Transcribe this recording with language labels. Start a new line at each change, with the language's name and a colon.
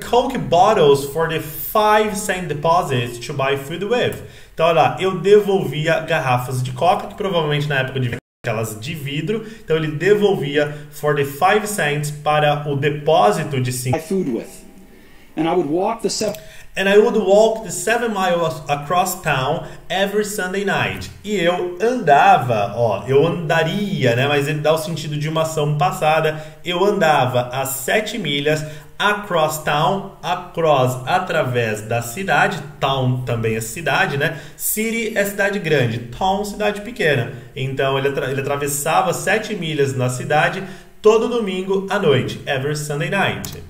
English: Coke bottles for the 5-cent deposit to buy food with.
Portuguese: Então, olha lá, eu devolvia garrafas de Coca, que provavelmente na época devia ser aquelas de vidro. Então, ele devolvia
English: for the 5 cents
Portuguese: para o depósito de 5
English: cents. Food with. And I would walk the 7... And I would walk the 7 miles across town every Sunday night.
Portuguese: E eu andava, ó, eu andaria, né? Mas ele dá o sentido de uma ação passada. Eu andava as 7 milhas
English: across town, across,
Portuguese: através da cidade. Town também é cidade, né? City é cidade grande, town, cidade pequena. Então, ele atravessava 7 milhas na cidade todo domingo à noite,
English: every Sunday night.